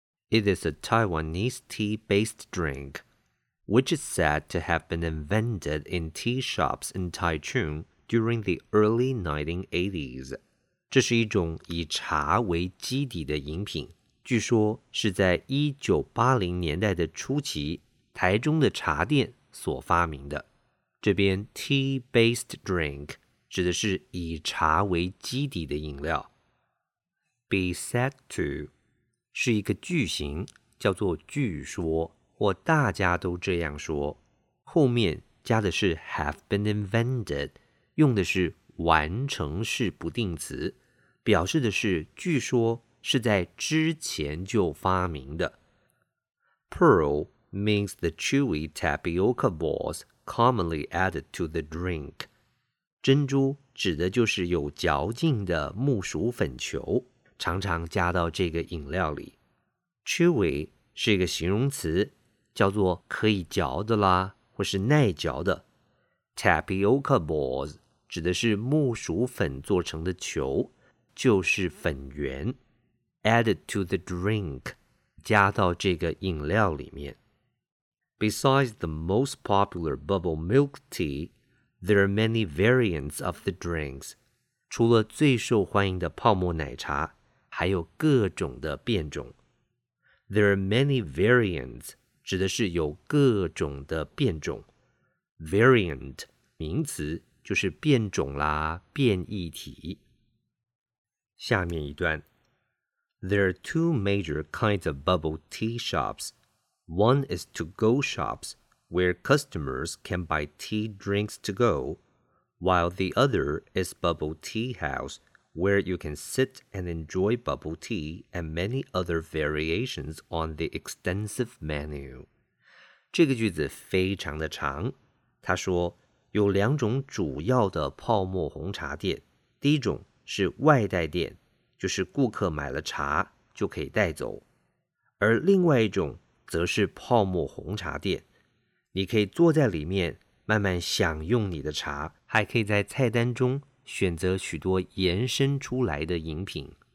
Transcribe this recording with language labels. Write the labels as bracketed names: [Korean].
[English] It is a Taiwanese tea-based drink, which is said to have been invented in tea shops in Taichung during the early 1980s. [Chinese] 这是一种以茶为基底的饮品,据说是在1980年代的初期台中的茶店所发明的。这边 [English] tea-based drink [Chinese] 指的是以茶为基底的饮料。 [English] Be said to [Chinese] 是一个句型叫做据说或大家都这样说。后面加的是 [English] have been invented, [Chinese] 用的是完成式不定词，表示的是据说是在之前就发明的。 [English] Pearl means the chewy tapioca balls commonly added to the drink. [Chinese] 珍珠指的就是有嚼劲的木薯粉球，常常加到这个饮料里。 Chewy 是一个形容词，叫做可以嚼的啦，或是耐嚼的。 [English] Tapioca balls [Chinese] 指的是木薯粉做成的球，就是粉圆。 [English] Added to the drink [Chinese] 加到这个饮料里面。 [English] Besides the most popular bubble milk tea, there are many variants of the drinks. [Chinese] 除了最受欢迎的泡沫奶茶，还有各种的变种。 [English] There are many variants [Chinese] 指的是有各种的变种。 Variant 名词就是变种啦，变异体。下面一段。 [English] There are two major kinds of bubble tea shops. One is to-go shops, where customers can buy tea drinks to go, while the other is bubble tea house, where you can sit and enjoy bubble tea and many other variations on the extensive menu. [Chinese] 这个句子非常的长，他说有两种主要的泡沫红茶店，第一种是外带店，就是顾客买了茶就可以带走，而另外一种则是泡沫红茶店，你可以坐在里面慢慢享用你的茶，还可以在菜单中选择许多延伸出来的饮品。